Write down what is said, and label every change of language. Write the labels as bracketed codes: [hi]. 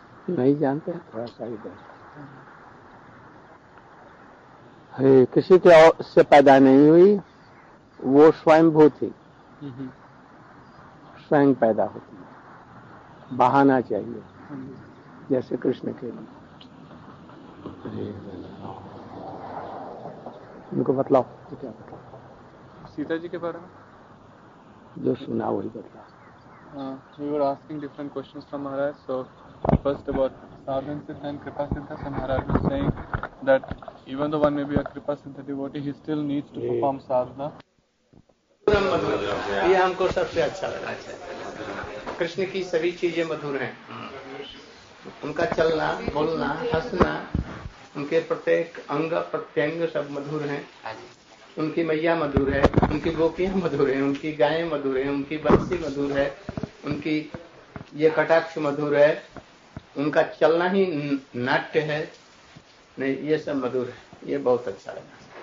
[hi] नहीं जानते थोड़ा सा ही है, किसी के और से पैदा नहीं हुई, वो स्वयंभू थी, स्वयं पैदा होती है, बहाना चाहिए जैसे कृष्ण के लिए, उनको बतलाओ तो क्या बतलाओ सीता जी के बारे में, जो सुना वही बतला। [en] We were asking different questions from Maharaj, so first about sadhan siddha and kripa siddha, so Maharaj was saying that even though one may be a kripa siddha devotee, he still needs to perform sadhana. [hi] ये हमको सबसे अच्छा लगा, कृष्ण की सभी चीजें मधुर हैं, उनका चलना बोलना हंसना उनके प्रत्येक अंग प्रत्यंग सब मधुर हैं, उनकी मैया मधुर है, उनकी गोपियां मधुर हैं, उनकी गायें मधुर हैं, उनकी बंसी मधुर है, उनकी ये कटाक्ष मधुर है, उनका चलना ही नाट्य है, नहीं ये सब मधुर है, ये बहुत अच्छा लगा।